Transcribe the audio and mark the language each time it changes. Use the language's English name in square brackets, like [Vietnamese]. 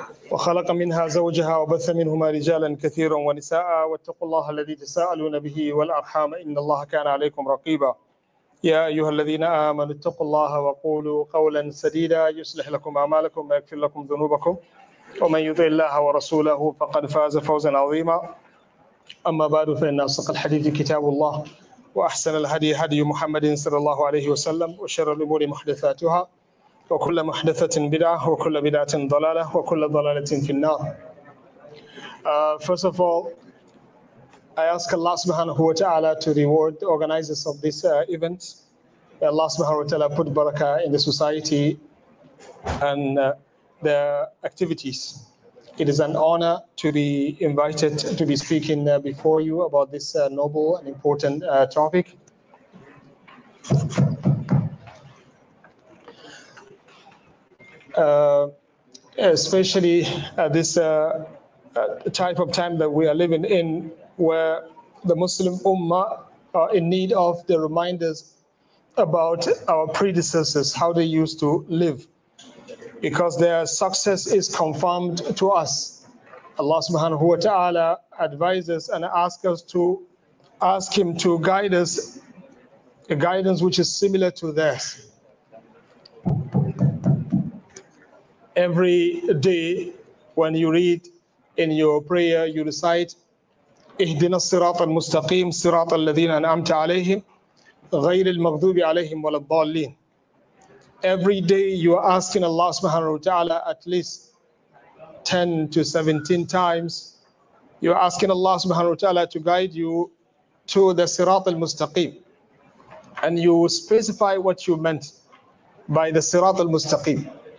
[Arabic] وخلق منها زوجها وبث منهما رجالا كثيرا ونساء واتقوا الله الذي تساءلون به والأرحام إن الله كان عليكم رقيبا يا أيها الذين آمنوا اتقوا الله وقولوا قولا سديدا يصلح لكم أعمالكم ويغفر لكم ذنوبكم ومن يطع الله ورسوله فقد فاز فوزا عظيما أما بعد فإن أصدق الحديث كتاب الله وأحسن الهدي هدي محمد صلى الله عليه وسلم وشر الأمور محدثاتها وكل محدثة بدعة وكل بدعة ضلالة وكل ضلالة في النار. [English] First of all, I ask Allah subhanahu wa ta'ala to reward the organizers of this event. May Allah subhanahu wa ta'ala put barakah in the society and the activities. It is an honor to be invited to be speaking before you about this noble and important topic. Especially at this type of time that we are living in, where the Muslim Ummah are in need of the reminders about our predecessors, how they used to live. Because their success is confirmed to us. Allah subhanahu wa ta'ala advises and asks us to ask Him to guide us, a guidance which is similar to theirs. every day when you read in your prayer, you recite, [Arabic] اهدنا الصراط المستقيم صراط الذين أنعمت عليهم غير المغضوب عليهم ولا الضالين. [English] Every day you are asking Allah subhanahu wa ta'ala at least 10 to 17 times. You are asking Allah subhanahu wa ta'ala to guide you to the Sirat al-Mustaqim. And you specify what you meant by the Sirat al-Mustaqim.